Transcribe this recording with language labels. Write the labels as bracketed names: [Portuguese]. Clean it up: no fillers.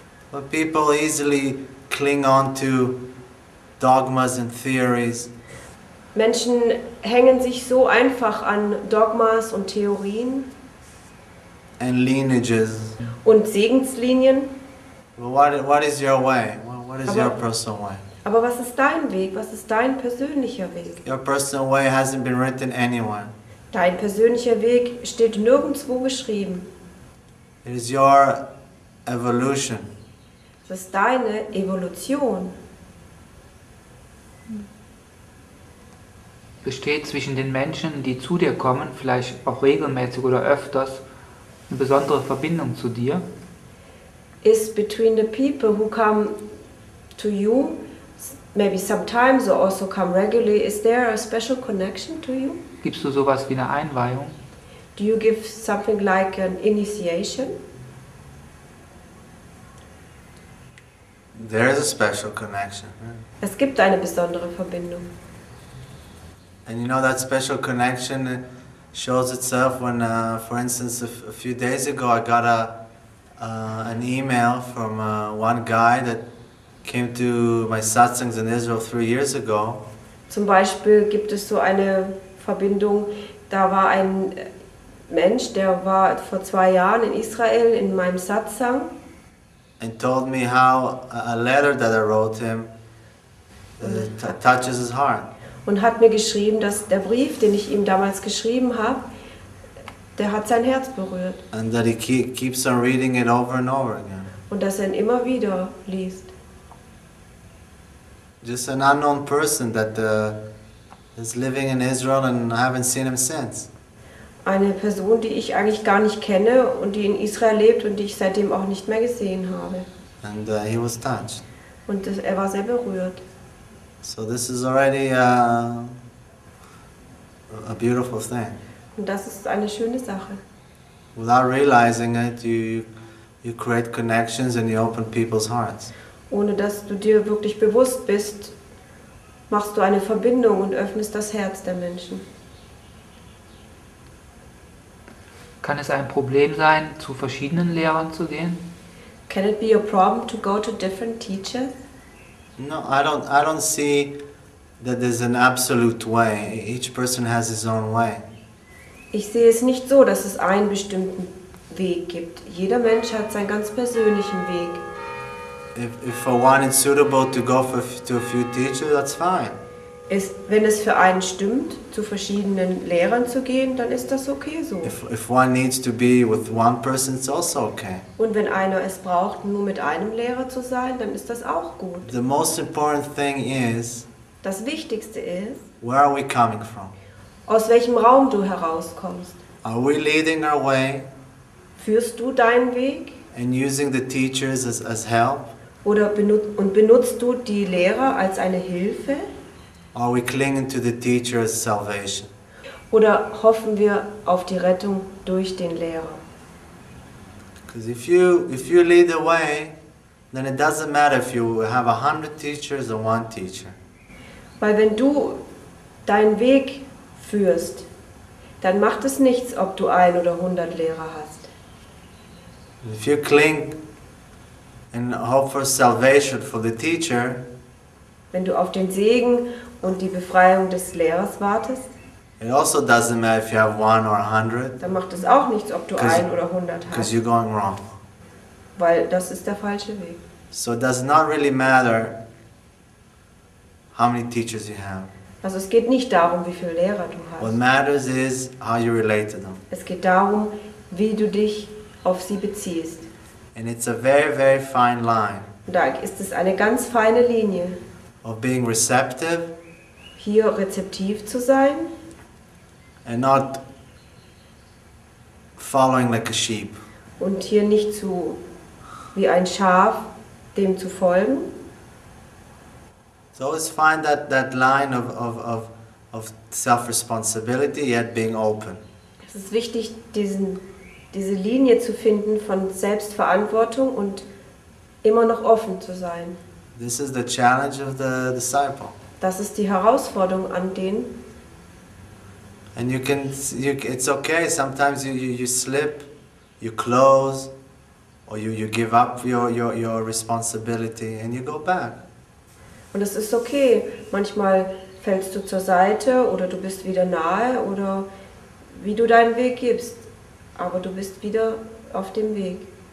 [English] But people easily cling on to dogmas and theories. [German] Menschen hängen sich so einfach an Dogmas und Theorien. [English] And lineages. [German] Und Segenslinien. [English] Well, what is your way? What is your personal way? [German] Aber was ist dein Weg? Was ist dein persönlicher Weg? [English] Your personal way hasn't been written anywhere. [German] Dein persönlicher Weg steht nirgendwo geschrieben. [English] It is your evolution. [German] Es ist deine Evolution. Besteht zwischen den Menschen, die zu dir kommen, vielleicht auch regelmäßig oder öfters, eine besondere Verbindung zu dir? [English] Is between the people who come to you, maybe sometimes or also come regularly, is there a special connection to you? [German] Gibst du sowas wie eine Einweihung? [English] Do you give something like an initiation? There is a special connection. [German] Es gibt eine besondere Verbindung. [English] And you know that special connection shows itself when, for instance, a few days ago I got an email from one guy that came to my satsangs in Israel 3 years ago. [German] Zum Beispiel gibt es so eine Verbindung. Da war ein Mensch, der war vor 2 Jahren in Israel in meinem Satsang. [English] And told me how a letter that I wrote him touches his heart. [German] Und hat mir geschrieben, dass der Brief, den ich ihm damals geschrieben habe, der hat sein Herz berührt. [English] And that he keeps on reading it over and over again. [German] Und dass er ihn immer wieder liest. [English] Just an unknown person that is living in Israel and I haven't seen him since. [German] Eine Person, die ich eigentlich gar nicht kenne und die in Israel lebt und die ich seitdem auch nicht mehr gesehen habe. [English] And he was touched. [German] Und das, er war sehr berührt. [English] So this is already a beautiful thing. [German] Und das ist eine schöne Sache. [English] Without realizing it, you create connections and you open people's hearts. [German] Ohne dass du dir wirklich bewusst bist, machst du eine Verbindung und öffnest das Herz der Menschen. Kann es ein Problem sein, zu verschiedenen Lehrern zu gehen? [English] Can it be a problem to go to different teachers? No, I don't see that there's an absolute way. Each person has his own way. [German] Ich sehe es nicht so, dass es einen bestimmten Weg gibt. Jeder Mensch hat seinen ganz persönlichen Weg. [English] If for one it's suitable to go to a few teachers, that's fine. [German] Wenn es für einen stimmt, zu verschiedenen Lehrern zu gehen, dann ist das okay so. [English] If one needs to be with one person, it's also okay. [German] Und wenn einer es braucht, nur mit einem Lehrer zu sein, dann ist das auch gut. [English] The most important thing is. [German] Das Wichtigste ist. [English] Where are we coming from? [German] Aus welchem Raum du herauskommst. [English] Are we leading our way? [German] Führst du deinen Weg? [English] And using the teachers as help? [German] Oder benutzt du die Lehrer als eine Hilfe? [English] Are we clinging to the teacher's salvation? [German] Oder hoffen wir auf die Rettung durch den Lehrer? [English] Because if you lead the way, then it doesn't matter if you have 100 teachers or one teacher. [German] Weil wenn du deinen Weg führst, dann macht es nichts, ob du 1 oder 100 Lehrer hast. [English] If you cling and hope for salvation for the teacher, [German] wenn du auf den Segen und die Befreiung des Lehrers wartest, [English] it also doesn't matter if you have 1 or 100. [German] Dann macht es auch nichts, ob du 1 oder 100 hast. [English] Because you're going wrong. [German] Weil das ist der falsche Weg. [English] So it does not really matter how many teachers you have. [German] Also es geht nicht darum, wie viele Lehrer du hast. [English] What matters is how you relate to them. [German] Es geht darum, wie du dich auf sie beziehst. [English] And it's a very, very fine line. [German] Da ist es eine ganz feine Linie. [English] Of being receptive. [German] Hier rezeptiv zu sein. [English] And not following like a sheep. [German] Und hier nicht zu wie ein Schaf dem zu folgen. [English] So it's fine that line of self-responsibility yet being open. [German] Es ist wichtig, diese Linie zu finden von Selbstverantwortung und immer noch offen zu sein. [English] This is the challenge of the disciple. [German] Das ist die Herausforderung an den. [English] And you can, it's okay. Sometimes you slip, you close, or you give up your responsibility and you go back. [German] Und es ist okay. Manchmal fällst du zur Seite oder du bist wieder nahe oder wie du deinen Weg gibst, aber du bist wieder auf dem Weg.